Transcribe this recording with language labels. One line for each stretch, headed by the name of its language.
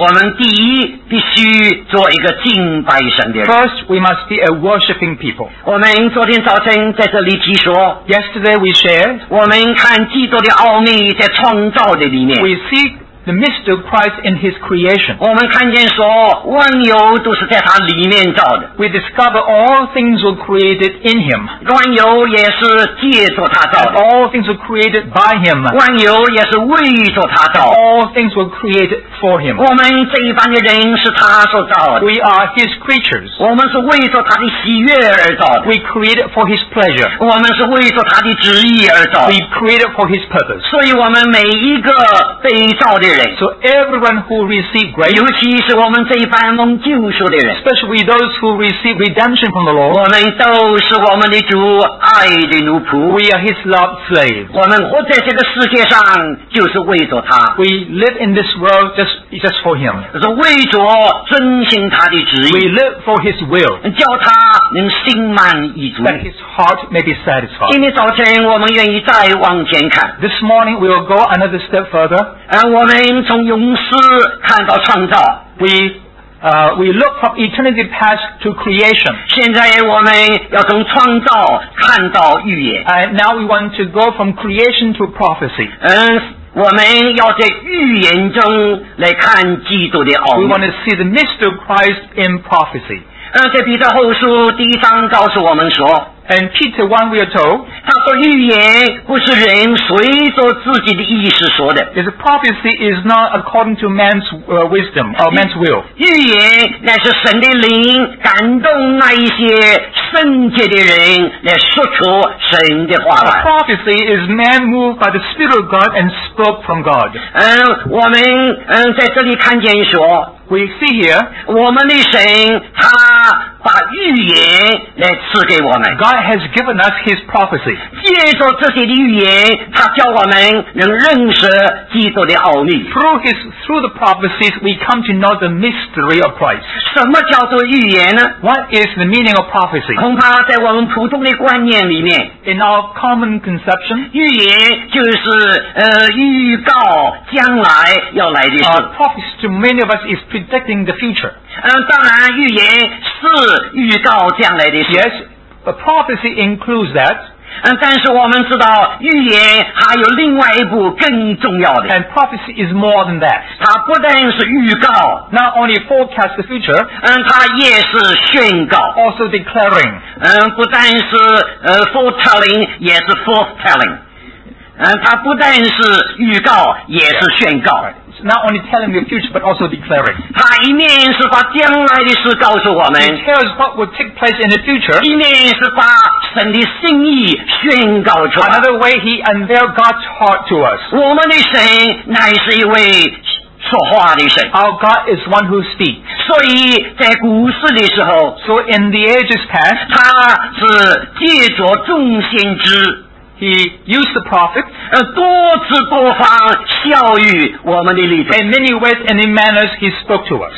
Chinese: 我们第一必须做一个敬拜神的人
English: First, we must be a worshipping people.
Chinese: 我们昨天早晨在这里提说
English: Yesterday we shared,
Chinese: 我们看基督的奥秘在创造的里面
English: We seek the mystery of Christ in His creation.
Chinese: 我们看见说万有都是在他里面造的
English: We discover all things were created in Him.
Chinese: 万有也是借着他造的
English: And all things were created by Him.
Chinese: 万有也是为着他造的
English: And all things were created for Him.
Chinese: 我们这一般的人是他所造的
English: We are His creatures.
Chinese: 我们是为着他的喜悦而造的
English: We created for His pleasure.
Chinese: 我们是为着他的旨意而造的
English: We created for His purpose.
Chinese: 所以我们每一个被造的人人,
English: so everyone who received grace,
Chinese: 尤其是我们这一班蒙救赎的人,
English: especially those who received redemption from the Lord,
Chinese: 我们都是我们的主爱的奴仆,
English: we are his love slave,
Chinese: 我们活在这个世界上就是为着他,
English: we live in this world just for him,
Chinese: 是为着遵行他的旨意,
English: we live for his will,
Chinese: 叫他能心满意足,
English: that his heart may be satisfied.
Chinese: 今天早晨我们愿意再往前看,
English: this morning we will go another step further,
Chinese: 我们从永世看到创造,
English: we look from eternity past to creation,
Chinese: 现在我们要从创造看到预言,
English: and now we want to go from creation to prophecy,
Chinese: 我们要在预言中来看基督的奥秘,
English: we want to see the mystery of Christ in prophecy,
Chinese: 在彼得后书第一章告诉我们说,
English: and Peter 1 we are told,
Chinese: 他说预言不是人随着自己的意思说的,
English: his prophecy is not according to man's wisdom or man's will,
Chinese: 预言乃是神的灵感动那一些圣洁的人来说出神的话来,
English: a prophecy is man moved by the spirit of God and spoke from God,
Chinese: 我们在这里看见说,
English: we see here,
Chinese: 我们的神他把预言来赐给我们。
English: God has given us His prophecy.
Chinese: 借着这些的预言，他叫我们能认识基督的奥秘。
English: Through the prophecies, we come to know the mystery of Christ.
Chinese: 什么叫做预言呢？
English: What is the meaning of prophecy?
Chinese: 恐怕在我们普通的观念里面，
English: in our common conception,
Chinese: 预言就是预告将来要来的事。
English: Prophecy to many of us is predicting the future.
Chinese: 当然预言是预告将来的事。
English: Yes, a prophecy includes that.
Chinese: 但是我们知道预言还有另外一部更重要的。
English: And prophecy is more than that.
Chinese: 它不但是预告，
English: not only forecast the future.
Chinese: 它也是宣告，
English: also declaring.
Chinese: 不但是foretelling， 也是forthtelling。它不但是预告，也是宣告。
English: Right. Not only telling the future, but also declaring.
Chinese: 他一面是把将来的事告诉我们。
English: He tells what will take place in the future.
Chinese: 一面是把神的心意宣告出来。
English: Another way he unveiled God's heart to us.
Chinese: 我们的神乃是一位说话的神。
English: Our God is one who speaks.
Chinese: 所以在古时的时候。
English: So in the ages past.
Chinese: 他是借着众先知。
English: He used the prophets,
Chinese: 多次多方效于我们的里头。
English: In many ways and in manners he spoke to us.